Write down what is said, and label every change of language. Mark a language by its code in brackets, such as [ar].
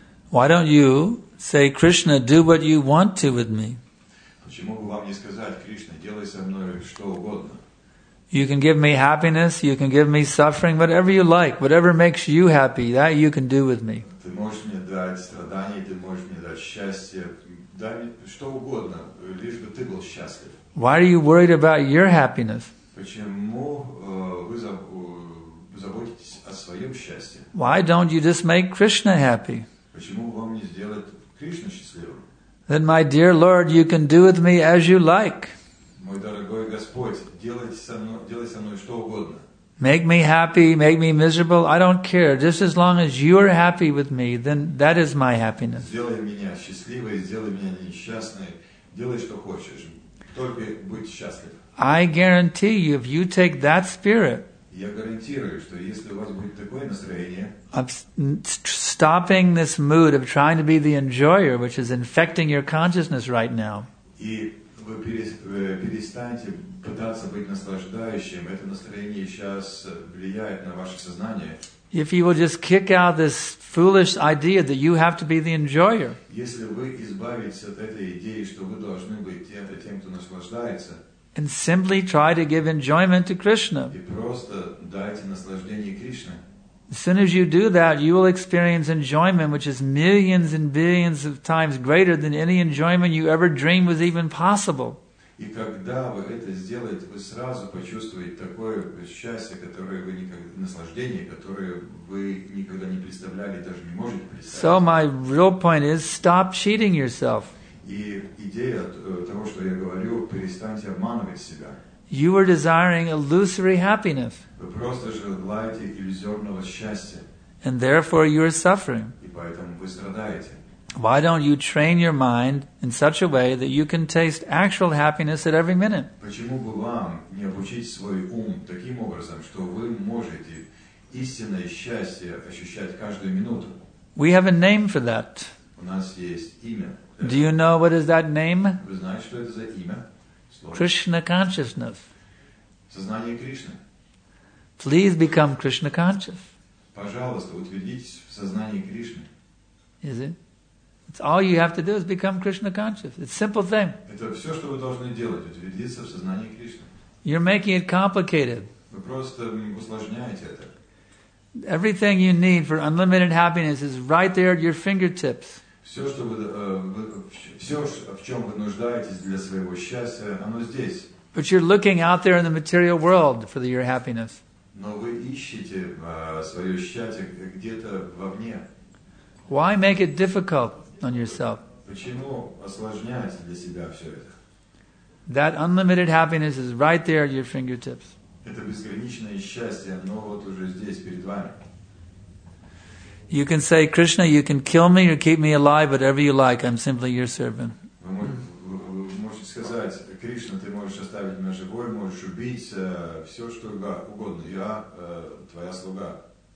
[en] Why don't you say, Krishna, do what you want to with me? [ru] Почему бы вам не сказать, Кришна, делай со мной что угодно? [en] You can give me happiness, you can give me suffering, whatever you like, whatever makes you happy, that you can do with me. [ru] Ты можешь мне дать страдания, ты можешь мне дать счастье, дай мне что угодно, лишь бы ты был счастлив. [en] Why are you worried about your happiness? [ru] Почему вы заботитесь о своем счастье? [en] Why don't you just make Krishna happy? [ru] Почему вам не сделать Кришну счастливым? [en] Then, my dear Lord, you can do with me as you like. [ru] Мой дорогой Господь, делай со мной что угодно. [en] Make me happy, make me miserable, I don't care. Just as long as you are happy with me, then that is my happiness. [ru] Сделай меня счастливой, сделай меня несчастной, делай что хочешь, только будь счастлив. [en] I guarantee you, if you take that spirit, [ru] я гарантирую, что если у вас будет такое настроение, [en] of stopping this mood of trying to be the enjoyer, which is infecting your consciousness right now, [ru] и вы перестаньте пытаться быть наслаждающим, это настроение сейчас влияет на ваше сознание. [en] If you will just kick out this foolish idea that you have to be the enjoyer, [ru] если вы избавитесь от этой идеи, что вы должны быть тем, кто наслаждается, [en] and simply try to give enjoyment to Krishna. [ru] И просто дайте наслаждение Кришне. [en] As soon as you do that, you will experience enjoyment which is millions and billions of times greater than any enjoyment you ever dreamed was even possible. [ru] И когда вы это сделаете, вы сразу почувствуете такое счастье, которое вы никогда, наслаждение, которое вы никогда не представляли, даже не можете представить. [en] So my real point is, stop cheating yourself. [ru] И идея того, что я говорю, перестаньте обманывать себя. [en] You are desiring illusory happiness. [ru] Вы просто желаете иллюзорного счастья. [en] And therefore you are suffering. [ru] И поэтому вы страдаете. [en] Why don't you train your mind in such a way that you can taste actual happiness at every minute? [ru] Почему бы вам не обучить свой ум таким образом, что вы можете истинное счастье ощущать каждую минуту? [en] We have a name for that. [ru] У нас есть имя. [en] Do you know what is that name? [ru] Вы знаете, что это за имя? [en] Krishna consciousness. [ru] Сознание Кришны. [en] Please become Krishna conscious. [ru] Пожалуйста, утвердитесь в сознании Кришны. [en] Is it? It's all you have to do is become Krishna conscious. It's a simple thing. [ru] Это все, что вы должны делать, утвердиться в сознании Кришны. [en] You're making it complicated. [ru] Вы просто усложняете это. [en] Everything you need for unlimited happiness is right there at your fingertips. [ru] Все, что в чем вы нуждаетесь для своего счастья, оно здесь. [en] But you're looking out there in the material world for your happiness. [ru] Но вы ищете свое счастье где-то вовне. [en] Why make it difficult on yourself? [ru] Почему осложнять для себя все это? [en] That unlimited happiness is right there at your fingertips. [ru] Это безграничное счастье, оно вот уже здесь перед вами. [en] You can say, Krishna, you can kill me or keep me alive, whatever you like, I'm simply your servant. [ru] Вы можете сказать, Кришна, ты можешь оставить меня живой, можешь убить, все что угодно, я твоя слуга.